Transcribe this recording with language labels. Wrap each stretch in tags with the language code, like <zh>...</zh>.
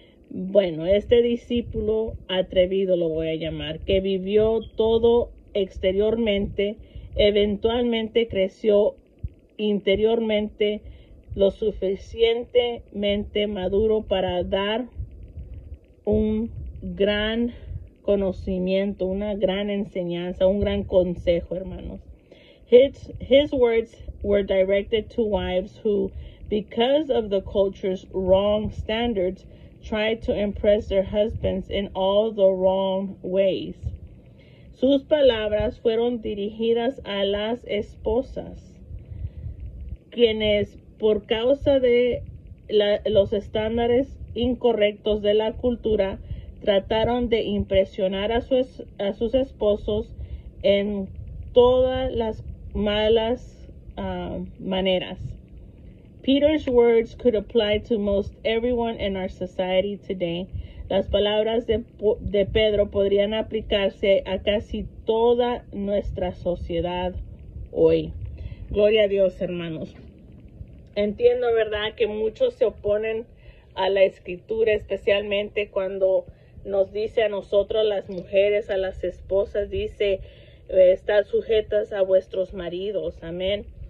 <es>Bueno, este discípulo atrevido lo voy a llamar, que vivió todo exteriormente, eventualmente creció interiormente, lo suficientemente maduro para dar un gran conocimiento, una gran enseñanza, un gran consejo, hermanos.</es> <en>His words were directed to wives who, because of the culture's wrong standards, tried to impress their husbands in all the wrong ways.</en> <es>Sus palabras fueron dirigidas a las esposas, quienes por causa de los estándares incorrectos de la cultura, trataron de impresionar a sus esposos en todas las malas maneras.</es> <en>Peter's words could apply to most everyone in our society today.</en> <es>Las palabras de Pedro podrían aplicarse a casi toda nuestra sociedad hoy. Gloria a Dios, hermanos. Entiendo, ¿verdad?, que muchos se oponen a la escritura, especialmente cuando nos dice a nosotros, las mujeres, a las esposas, dice, estad sujetas a vuestros maridos, amén.</es>